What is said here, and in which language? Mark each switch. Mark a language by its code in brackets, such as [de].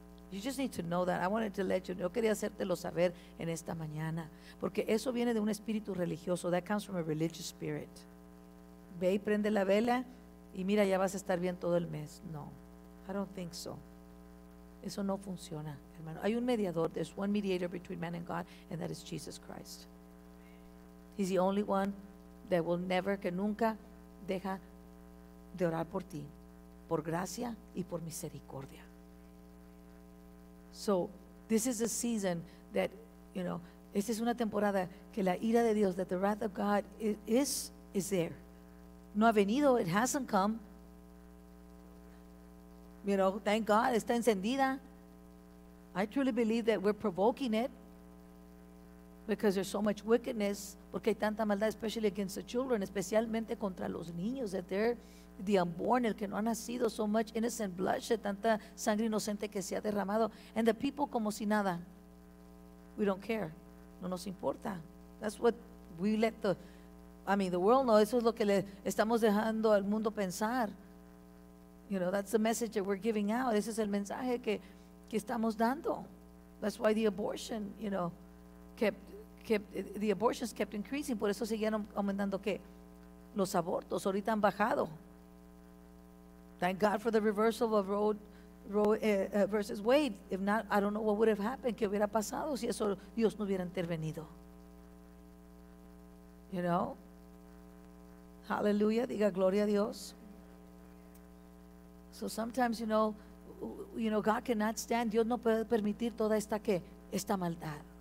[en] You just need to know that. I wanted to let you know. [es] Yo quería hacértelo saber en esta mañana. Porque eso viene de un espíritu religioso. [en] That comes from a religious spirit. [es] Ve y prende la vela y mira, ya vas a estar bien todo el mes. [en] No, I don't think so. [es] Eso no funciona, hermano. Hay un mediador. [en] There's one mediator between man and God, and that is Jesus Christ. He's the only one that will never, [es] que nunca deja de orar por ti, por gracia y por misericordia. [en] So, this is a season that, you know, [es] esta es una temporada que la ira de Dios, [en] that the wrath of God is there. [es] No ha venido, [en] it hasn't come. You know, thank God, [es] está encendida. [en] I truly believe that we're provoking it because there's so much wickedness, [es] porque hay tanta maldad, [en] especially against the children, [es] especialmente contra los niños, [en] that they're the unborn, [es] el que no ha nacido, [en] so much innocent bloodshed, [es] tanta sangre inocente que se ha derramado, [en] and the people [es] como si nada. [en] We don't care. [es] No nos importa. [en] That's what we let the world know. [es] Eso es lo que le estamos dejando al mundo pensar. [en] You know, that's the message that we're giving out. [es] Ese es el mensaje que estamos dando. [en] That's why the abortion, you know, kept increasing. [es] Por eso siguieron aumentando, ¿qué? Los abortos. Ahorita han bajado. [en] Thank God for the reversal of Roe versus Wade. If not, I don't know what would have happened. [es] ¿Qué hubiera pasado si eso Dios no hubiera intervenido? [en] You know? [es] Hallelujah. Diga gloria a Dios. [en] So sometimes, you know, God cannot stand. [es] Dios no puede permitir toda esta que esta maldad.